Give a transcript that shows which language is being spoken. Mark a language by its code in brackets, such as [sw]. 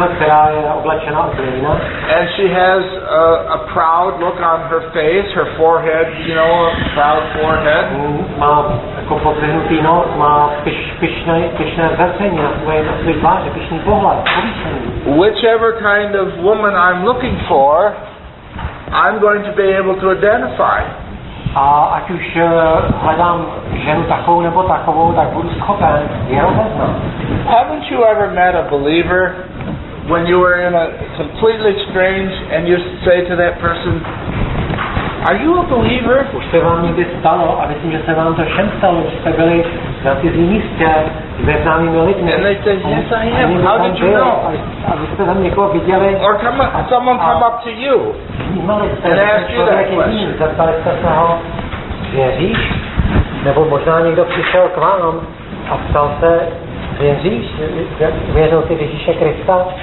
[en] And she has a proud look on her face, her forehead, you know, a proud forehead. [cs] Má jako pozdvihnutý nos, má pyšné zrcení na své tváři, pyšný pohled, povýšený. [en] Whichever kind of woman I'm looking for, I'm going to be able to identify. [cs] A ať už hledám ženu takovou nebo takovou, tak budu schopen je rozeznat. [en] Haven't you ever met a believer when you were in a completely strange and you say to that person, are you a believer? [cs] Už se vám někdy stalo a myslím, že se vám to všem stalo, že jste byli na cizí místě ze známými lidmi. [en] And they said, yes, I am. How did you know? [cs] A vy jste tam někoho viděli. [en] Or someone come up to you and ask you that question. [cs] Zeptali jste se ho, věříš? Nebo možná někdo přišel k vám a ptal se, věříš? Věřil jsi v Ježíše Krista?